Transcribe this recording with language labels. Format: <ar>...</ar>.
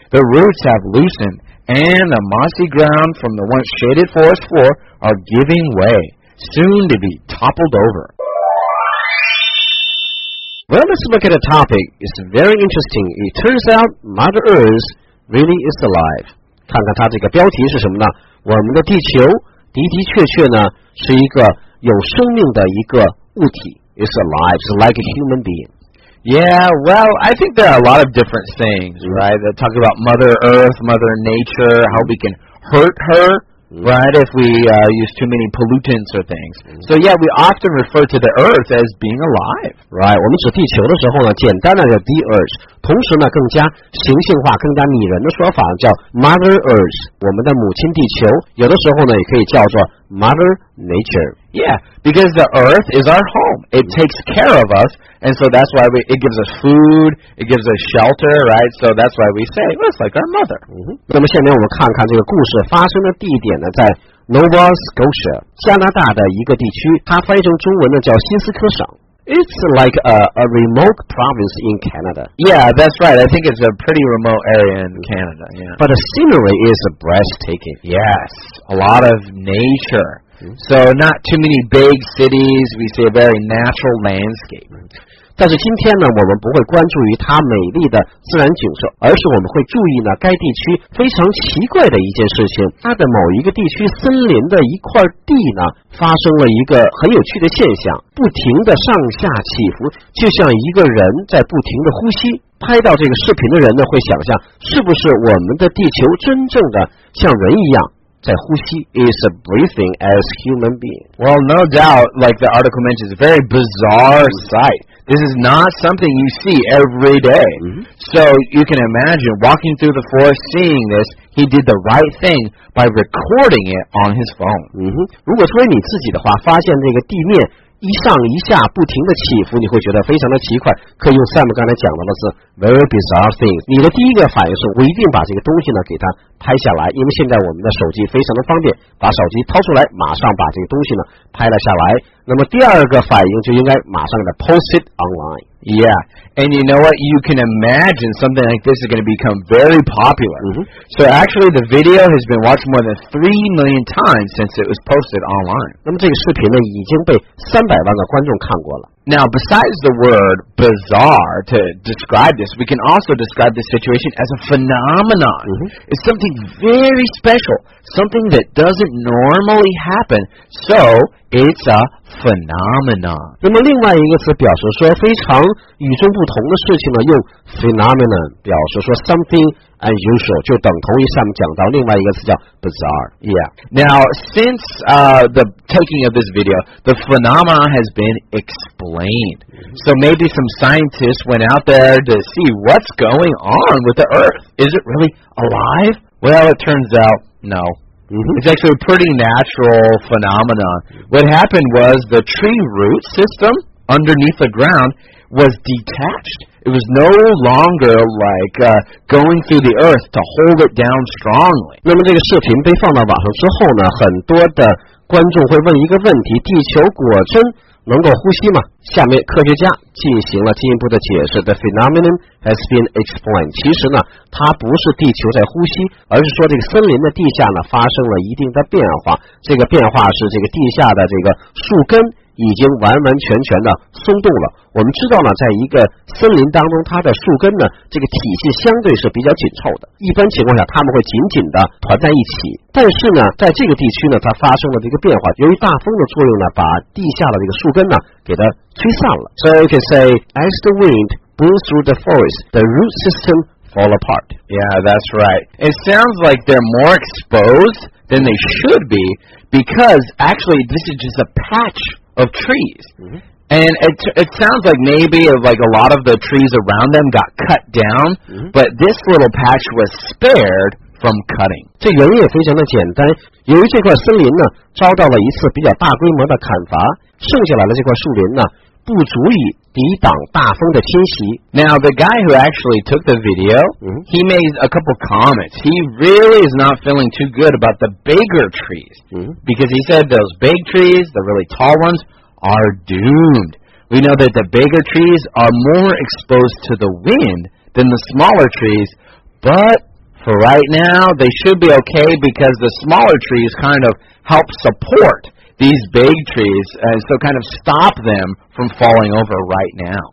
<en>The roots have loosened, and the mossy ground from the once shaded forest floor are giving way, soon to be toppled over. Well, let's look at a topic. It's very interesting. It turns out Mother Earth really is alive.</en> <zh>看看它这个标题是什么呢？我们的地球的的确确呢是一个有生命的一个物体。</zh> <en>It's alive. It's like a human being. Yeah, well, I think there are a lot of different things, right? They're talking about Mother Earth, Mother Nature, how we can hurt her. Right, if we use too many pollutants or things. So yeah, we often refer to the earth as being alive.</en> <zh>Right, 我们指地球的时候呢，简单的叫 the earth， 同时呢更加形象化、更加拟人的说法叫 mother earth， 我们的母亲地球。有的时候呢也可以叫做 mother nature。</zh> <en>Yeah, because the earth is our home. It takes care of us, and so that's why it gives us food, it gives us shelter, right? So that's why we say, well, it's like our mother.、</en> <zh>那么下面我们看看这个故事发生的地点呢，在 Nova Scotia, 加拿大的一个地区，它翻译成中文呢叫新斯科省。</zh> <en>It's like a remote province in Canada. Yeah, that's right. I think it's a pretty remote area in Canada, yeah. But the scenery is breathtaking. Yes, a lot of nature. So not too many big cities. We see a very natural landscape.</en> <zh>但是今天呢，我们不会关注于它美丽的自然景色，而是我们会注意呢，该地区非常奇怪的一件事情。它的某一个地区森林的一块地呢，发生了一个很有趣的现象，不停的上下起伏，就像一个人在不停的呼吸。拍到这个视频的人呢，会想象是不是我们的地球真正的像人一样。在呼吸</zh> <en>is a breathing as human being. Well, no doubt, like the article mentions, a very bizarre sight. This is not something you see every day. So you can imagine walking through the forest seeing this, he did the right thing by recording it on his phone.</en> <zh>如果作为你自己的话，发现这个地面一上一下不停的起伏，你会觉得非常的奇怪，可以用 Sam 刚才讲到的是</zh> <en>very bizarre thing。</en> <zh>你的第一个反应是我一定把这个东西呢给它拍下来，因为现在我们的手机非常的方便，把手机掏出来马上把这个东西呢拍了下来。那么第二个反应就应该马上给它</zh> <en>post it online。 Yeah, and you know what, you can imagine something like this is going to become very popular. So actually the video has been watched more than 3 million times since it was posted online.</en> <zh>那么这个视频呢已经被300万的观众看过了。</zh> <en>Now, besides the word bizarre to describe this, we can also describe this situation as a phenomenon. It's something very special, something that doesn't normally happen. So, it's a phenomenon.</en> <zh>那么另外一个词表示说非常与众不同的事情呢，用 phenomenon 表示说</zh> <en>something unusual,</en> <zh>就等同于上面讲到另外一个词叫 bizarre.</zh> <en>Yeah. Now, since the taking of this video, the phenomenon has been explained. So maybe some scientists went out there to see what's going on with the Earth. Is it really alive? Well, it turns out, no. It's actually a pretty natural phenomenon. What happened was the tree root system underneath the ground was detached. It was no longer like going through the earth to hold it down strongly.</en> <zh>那么这个视频被放到网上之后呢，很多的观众会问一个问题，地球果真能够呼吸吗？下面科学家进行了进一步的解释。</zh> <en>The phenomenon has been explained.</en> <zh>其实呢，它不是地球在呼吸，而是说这个森林的地下呢发生了一定的变化。这个变化是这个地下的这个树根已经完完全全的松动了。我们知道呢，在一个森林当中，它的树根呢，这个体系相对是比较紧凑的。一般情况下，它们会紧紧的团在一起。但是呢，在这个地区呢，它发生了这个变化，由于大风的作用呢，把地下的这个树根呢，给它吹散了。</zh> <en>So you can say, as the wind blew through the forest, the root system fall apart. Yeah, that's right. It sounds like they're more exposed than they should be, because actually this is just a patch. Of trees. And it sounds like maybe of like a lot of the trees around them got cut down, but this little patch was spared from cutting.</en> <zh>这原因也非常的简单，由于这块森林呢遭到了一次比较大规模的砍伐，剩下来的这块树林呢不足以抵挡大风的侵袭。</zh> <en>Now the guy who actually took the video、 mm-hmm. he made a couple comments. He really is not feeling too good about the bigger trees、 mm-hmm. because he said those big trees, the really tall ones, are doomed. We know that the bigger trees are more exposed to the wind than the smaller trees, but for right now they should be okay because the smaller trees kind of help supportthese big trees, so kind of stop them from falling over right now.</en>